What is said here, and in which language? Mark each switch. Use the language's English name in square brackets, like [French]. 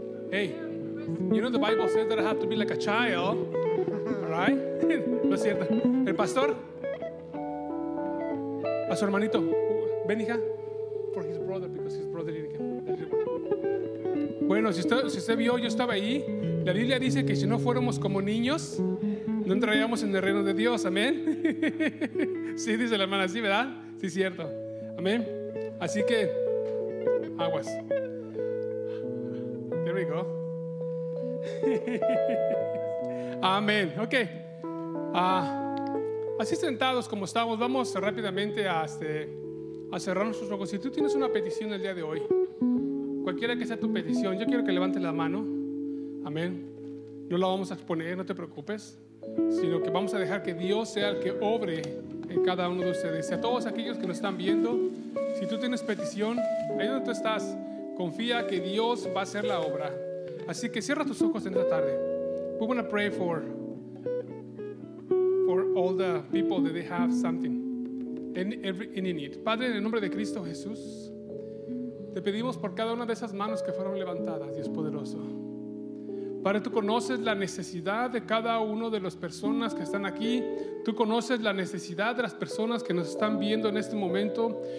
[English] Hey, you know the Bible says that I have to be like a child. All right? [Spanish] No es cierto. El pastor. A su hermanito. Ven, hija. [English] For his brother, because his brother didn't come. [Spanish] Bueno, si usted vio, yo estaba ahí. La Biblia dice que si no fuéramos como niños, no entraríamos en el reino de Dios. Amén. Sí, dice la hermana, sí, ¿verdad? Sí, cierto. Amén. Así que, aguas. [English] There we go. [Spanish] Amén. Ok. Así sentados como estamos, vamos rápidamente a cerrar nuestros ojos. Si tú tienes una petición el día de hoy, cualquiera que sea tu petición, yo quiero que levantes la mano. Amén. No la vamos a exponer, no te preocupes, sino que vamos a dejar que Dios sea el que obre en cada uno de ustedes. Y a todos aquellos que nos están viendo, si tú tienes petición, ahí donde tú estás, confía que Dios va a hacer la obra. Así que cierra tus ojos en esta tarde. [English] We want to pray for all the people that they have something in need. [Spanish] Padre, en el nombre de Cristo Jesús, te pedimos por cada una de esas manos que fueron levantadas, Dios poderoso. Padre, tú conoces la necesidad de cada una de las personas que están aquí. Tú conoces la necesidad de las personas que nos están viendo en este momento.